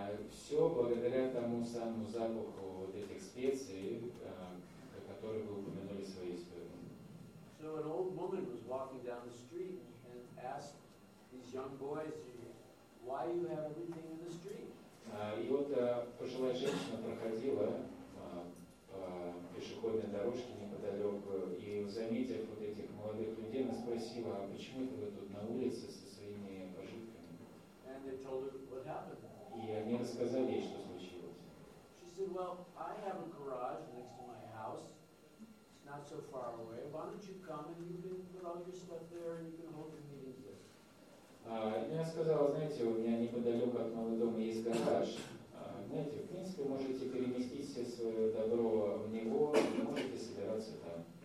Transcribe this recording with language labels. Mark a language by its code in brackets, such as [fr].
[ru] Все благодаря тому самому запаху вот этих специй, которые вы упомянули в своей истории. [en] So an old woman was walking down the street and asked these young boys, why you have everything in the street. [ru] И вот пожилая женщина проходила по пешеходной дорожке неподалеку и, заметив вот этих молодых людей, она спросила, а почему это вы тут на улице со своими пожитками? [en] And they told her what happened. [ru] И они рассказали ей, что случилось. [en] She said, well, I have a garage next to my house. It's not so far away. Why don't you come and you can put all your stuff there and you can hold your meetings there. [ru] Я сказал, знаете, у меня неподалеку от моего дома есть гараж. Знаете, в принципе, можете переместить все свое добро в него, и можете собираться там.